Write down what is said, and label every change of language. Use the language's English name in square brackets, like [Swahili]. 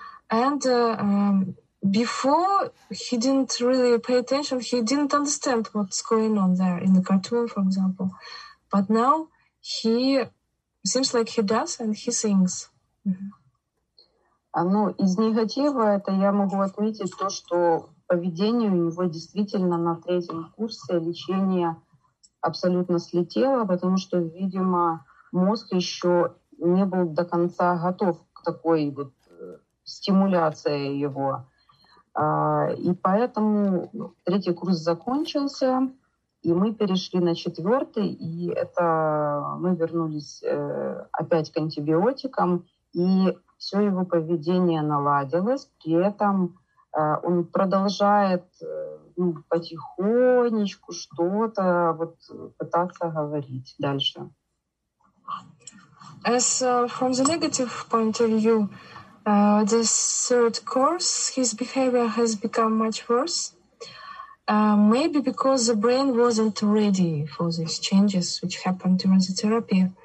[English] And before, he didn't really pay attention. He didn't understand what's going on there in the cartoon, for example. But now He seems like he does and he sings. [Russian] Ну, из негатива это я могу отметить то, что поведение у него действительно на третьем курсе лечения абсолютно слетело, потому что, видимо, мозг еще не был до конца готов к такой вот стимуляции его. И поэтому третий курс закончился, и мы перешли на четвертый, и это мы вернулись опять к антибиотикам, и все его поведение наладилось, при этом он продолжает потихонечку что-то вот пытаться говорить дальше. [English] As from the negative point of view, the third course, his behavior has become much worse. Maybe because the brain wasn't ready for these changes which happened during the therapy.